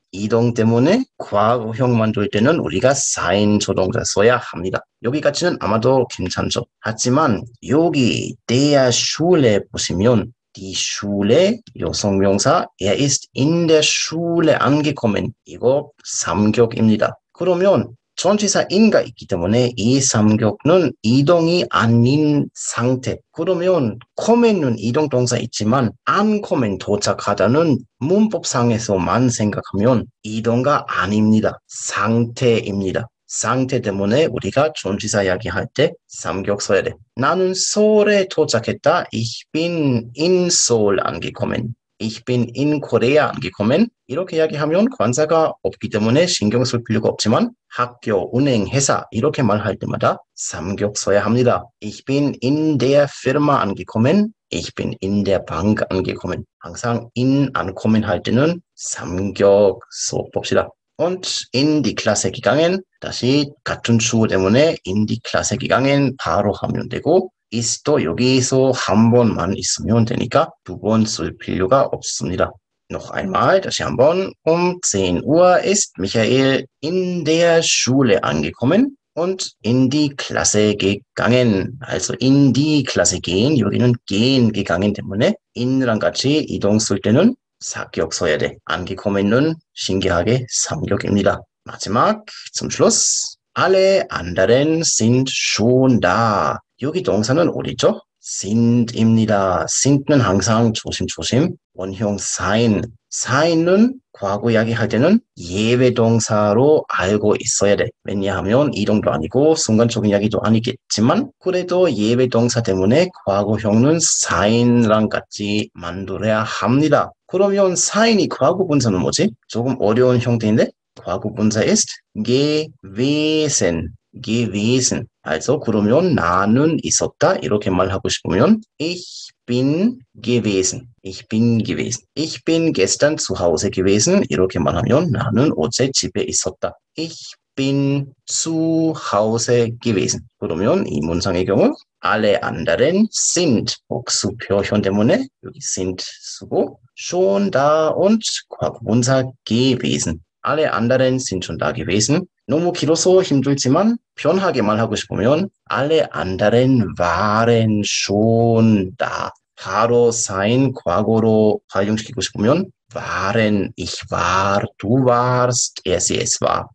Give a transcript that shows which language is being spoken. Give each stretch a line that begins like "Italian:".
Korean: 이동 때문에 과거형 만들 때는 우리가 사인 조동사 써야 합니다. 여기까지는 아마도 괜찮죠. 하지만 여기
German: der Schule
Korean: 보시면
German: die Schule
Korean: 여성명사
German: er ist in der Schule angekommen
Korean: 이거 삼격입니다. 그러면 전치사 인가 있기 때문에 이 삼격은 이동이 아닌 상태. 그러면 kommen은 이동 동사 있지만 ankommen 도착하다는 문법상에서만 생각하면 이동가 아닙니다. 상태입니다. 상태 때문에 우리가 전치사 이야기할 때 삼격 써야 돼. 나는 서울에 도착했다.
German: Ich bin in Seoul angekommen. Ich bin in Korea angekommen.
Korean: 이렇게 이야기하면 관사가 없기 때문에 신경 쓸 필요가 없지만 학교, 은행, 회사 이렇게 말할 때마다 삼격 써야 합니다.
German: Ich bin in der Firma angekommen. Ich bin in der Bank angekommen.
Korean: 항상 in ankommen 할 때는 삼격 써봅시다.
German: Und in die Klasse gegangen.
Korean: 다시 같은 주어 때문에
German: in die Klasse gegangen
Korean: 바로 하면 되고 있어도 여기서 한 번만 있으면 되니까 두번쓸 필요가 없습니다.
German: Noch einmal,
Korean: 다시 한 번.
German: Um 10 Uhr ist Michael in der Schule angekommen und in die Klasse gegangen. Also in die Klasse gehen,
Korean: 여기는 gehen 기강인 때문에 in랑 같이 이동 쓸 때는 사격 써야 돼. Angekommen은 신기하게 삼격입니다. 마지막,
German: zum Schluss. Alle anderen sind schon da.
Korean: 여기 동사는 어디죠? sind입니다. sind는 항상 조심조심. 원형 sein. sein은 과거 이야기할 때는 예외동사로 알고 있어야 돼. 왜냐하면 이동도 아니고 순간적인 이야기도 아니겠지만, 그래도 예외동사 때문에 과거형은 sein랑 같이 만들어야 합니다. 그러면 sein이 과거분사는 뭐지? 조금 어려운 형태인데?
German: 과거분사 ist gewesen. gewesen.
Korean: Also, 그러면 나는 있었다. 이렇게 말하고 싶으면,
German: ich bin gewesen. Ich bin gewesen. Ich bin gestern zu Hause gewesen.
Korean: 이렇게 말하면 나는 어제 집에 있었다.
German: Ich bin zu Hause gewesen.
Korean: 그러면 이 문장의 경우,
German: alle anderen sind
Korean: 복수표현 때문에, 여기 sind 쓰고,
German: schon da und
Korean: 과거분사 gewesen.
German: Alle anderen sind schon da gewesen.
Korean: 너무 길어서 힘들지만 편하게 말하고 싶으면
German: alle anderen waren schon da.
Korean: 바로 sein 과거로 활용시키고 싶으면
German: waren, ich war, du warst, er, sie, es war.